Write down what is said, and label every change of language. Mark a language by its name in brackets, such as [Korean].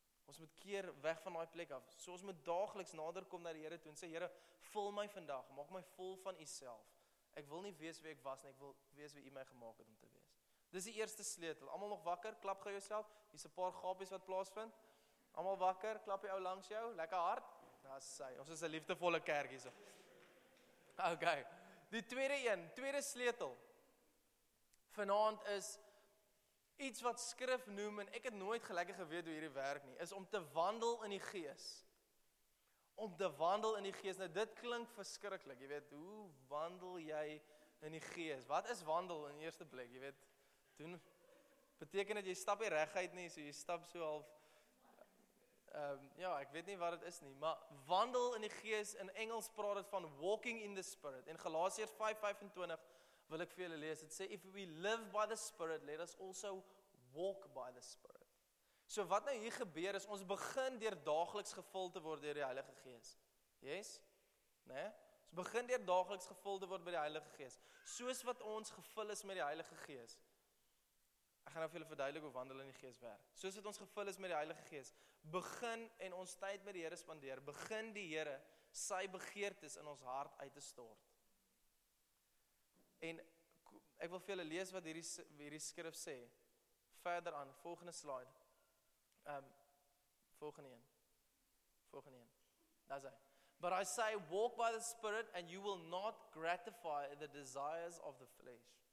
[Afrikaans] Ons moet keer weg van daai plek af, so ons moet daagliks nader kom na die Here toe, en sê, Here, vul my vandag, maak my vol van u self. Ek wil nie wees wie ek was, en ek wil wees wie u my gemaak het om te wees. Dis die eerste sleutel. Almal nog wakker? Klap gou jouself. Hier's 'n paar gapies wat plaasvind. Almal wakker? Klap die ou langs jou. Lekker hard. Dis sy. Ons is 'n liefdevolle kerk hierso. Okay. Die tweede een, tweede sleutel. Vanaand is iets wat skrif noem, en ek het nooit gelukkig geweet hoe hierdie werk nie, is om te wandel in die gees. Om te wandel in die gees. Nou dit klink verskriklik. Jy weet, hoe wandel jy in die gees? Wat is wandel in eerste plek? Jy weet, doen, beteken dat jy stap nie reguit nie, so jy stap so half, ja, ek weet nie wat het is nie, maar wandel in die gees, in Engels praat het van [English] walking in the spirit, [Afrikaans] en Galasiërs 5:25 wil ek vir julle lees, het sê, [English] if we live by the spirit, [Afrikaans] let us also walk by the spirit. So wat nou hier gebeur is, ons begin deur daagliks gevul te word deur die Heilige Gees, yes, nee, ons begin deur daagliks gevul te word by die Heilige Gees, soos wat ons gevul is met die Heilige Gees, Ek gaan nou vir julle verduidelik hoe wandel in die gees werk. Soos dat ons gevul is met die Heilige Gees, begin en ons tyd met die Here spandeer, begin die Here sy begeertes in ons hart uit te stort. En ek wil vir julle lees wat hierdie skrif sê. Verder aan, volgende slide. Volgende een. Daar sê. [English] But I say, walk by the Spirit and you will not gratify the desires of the flesh.